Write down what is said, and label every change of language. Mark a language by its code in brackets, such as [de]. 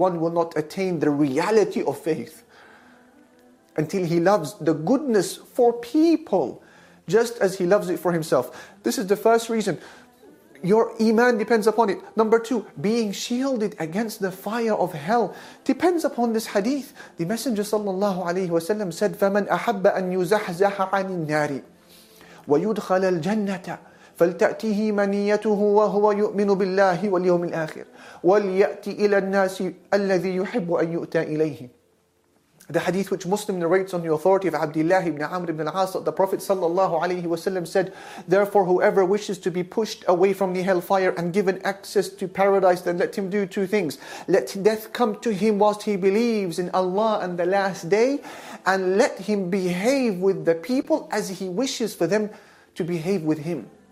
[en] One will not attain the reality of faith until he loves the goodness for people just as he loves it for himself. This is the first reason. Your iman depends upon it. Number two, being shielded against the fire of hell depends upon this hadith. The Messenger sallallahu alayhi wa sallam said, [ar] "فَمَنْ أَحَبَّ أَن يُزَحْزَحَ عَنِ النَّارِ." ويدخل الجنة فلتأتيه منيته وهو يؤمن بالله واليوم الآخر وليأتي إلى الناس الذي يحب أن يؤتى إليه. [en] The hadith which Muslim narrates on the authority of Abdullah ibn Amr ibn al-As, the Prophet sallallahu alayhi wasallam said, therefore whoever wishes to be pushed away from the hellfire and given access to paradise, then let him do two things. Let death come to him whilst he believes in Allah and the last day, and let him behave with the people as he wishes for them to behave with him.